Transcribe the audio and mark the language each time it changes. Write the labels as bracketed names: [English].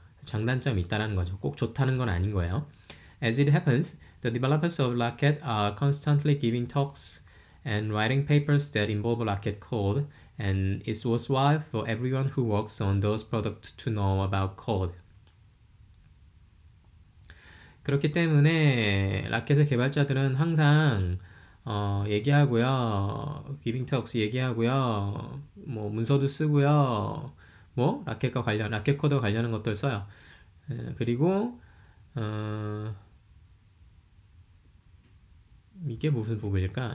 [Korean] 장단점이 있다는 거죠. 꼭 좋다는 건 아닌 거예요. [English] As it happens, the developers of Locket are constantly giving talks and writing papers that involve Locket code, and it's worthwhile for everyone who works on those products to know about code. [Korean] 그렇기 때문에 라켓의 개발자들은 항상 얘기하고요. [English] Giving talks [Korean] 얘기하고요. 뭐 문서도 쓰고요. 뭐 라켓 코드 관련한 것들 써요. 그리고 이게 무슨 부분일까?